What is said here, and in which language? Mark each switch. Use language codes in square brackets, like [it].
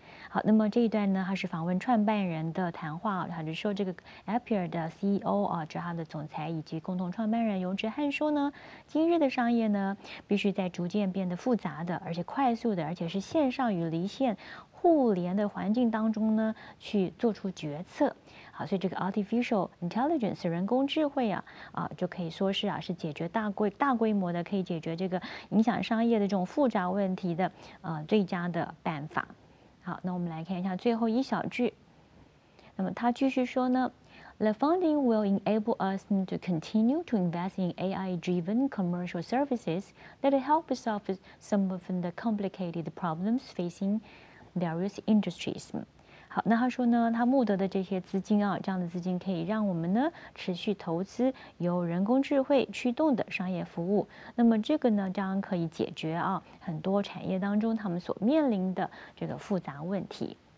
[zh] 好，那么这一段呢，他是访问创办人的谈话，他就说这个 Appier 的 CEO 啊，就他的总裁以及共同创办人尤志汉说呢，今日的商业呢，必须在逐渐变得复杂的，而且快速的，而且是线上与离线互联的环境当中呢，去做出决策。好，所以这个 artificial intelligence 人工智慧啊就可以说是啊，是解决大规模的可以解决这个影响商业的这种复杂问题的最佳的办法。好，那我们来看一下最后一小句。那么他继续说呢 [en] ，The funding will enable us to continue to invest in AI-driven commercial services that help solve some of the complicated problems facing various industries. [zh] 好，那他说呢，他募得的这些资金啊，这样的资金可以让我们呢持续投资由人工智慧驱动的商业服务。那么这个呢，将可以解决啊很多产业当中他们所面临的这个复杂问题。